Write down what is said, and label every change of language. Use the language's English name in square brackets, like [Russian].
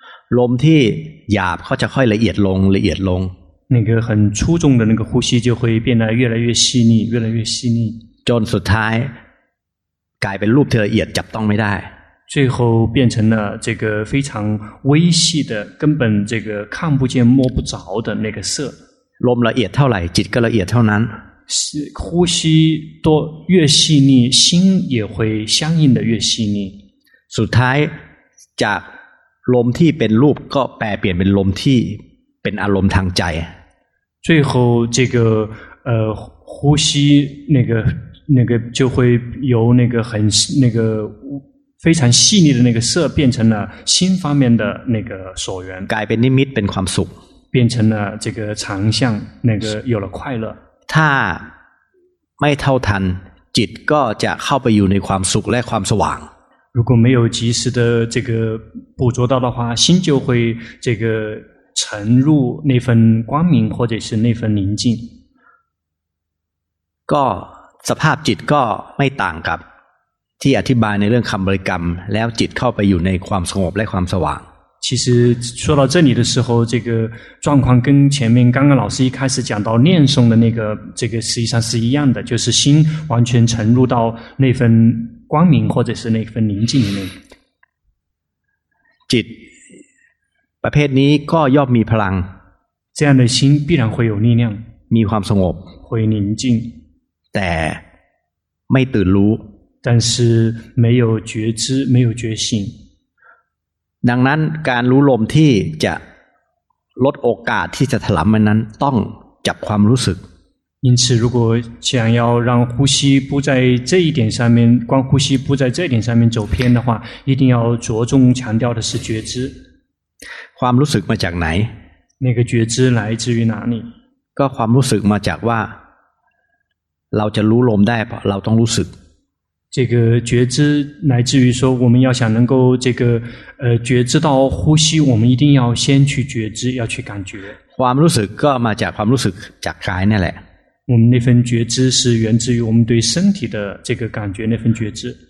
[Thai] ลมที่หยาบก็จะค่อยละเอียดลง [Chinese] 那个很粗重的那个呼吸就会变得越来越细腻 [Thai] จนสุดท้ายกลายเป็นรูปที่ละเอียดจับต้องไม่ได้ [Chinese] 最后变成了这个非常微细的根本这个看不见摸不着的那个色 [Thai] ลมละเอียดเท่าไหร่จิตก็ละเอียดเท่านั้น [Chinese] 呼吸多越细腻心也会相应的越细腻 [Thai] สุดท้ายจากลมที่เป็นรูปก็แปรเปลี่ยนเป็นลมที่เป็นอารมณ์ทางใจ [Chinese] 最后这个呼吸那个就会由那个很那个非常细腻的那个色变成了心方面的那个所缘 [Thai] กลายเป็นนิมิตเป็นความสุข [Chinese] 变成了这个常相那个有了快乐 [Thai] ถ้าไม่เท่าทันจิตก็จะเข้าไปอยู่ในความสุขและความสว่าง [Chinese] 如果没有及时的这个捕捉到的话心就会这个沉入那份光明或者是那份宁静 [Thai] ก็สภาพจิตก็ไม่ต่างกับที่อธิบายในเรื่องคำบริกรรมแล้วจิตเข้าไปอยู่ในความสงบและความสว่าง [Chinese] 其实说到这里的时候这个状况跟前面刚刚老师一开始讲到念诵的那个这个实际上是一样的就是心完全沉入到那份光明或者是那份宁静里面 [Thai] จิตประเภทนี้ก็ย่อมมีพลัง [Chinese] 这样的心必然会有力量 [Thai] มีความสงบ [Chinese] 会宁静 [Thai] แต่ไม่ตื่นรู้ [Chinese] 但是没有觉知没有觉醒 [Thai] ดังนั้นการรู้ลมที่จะลดโอกาสที่จะถลำมันนั้นต้องจับความรู้สึก [Chinese] 因此如果想要让呼吸不在这一点上面光呼吸不在这一点上面走偏的话一定要着重强调的是觉知 [Thai] ความรู้สึกมาจากไหน [Chinese] 那个觉知来自于哪里 [Thai] ก็ความรู้สึกมาจากว่าเราจะรู้ลมได้เราต้องรู้สึก [Chinese] 这个觉知来自于说我们要想能够这个觉知到呼吸我们一定要先去觉知要去感觉 [Thai] ความรู้สึกก็มาจากความรู้สึกจากกายนั่นแหละ [Chinese] 我们那份觉知是源自于我们对身体的这个感觉那份觉知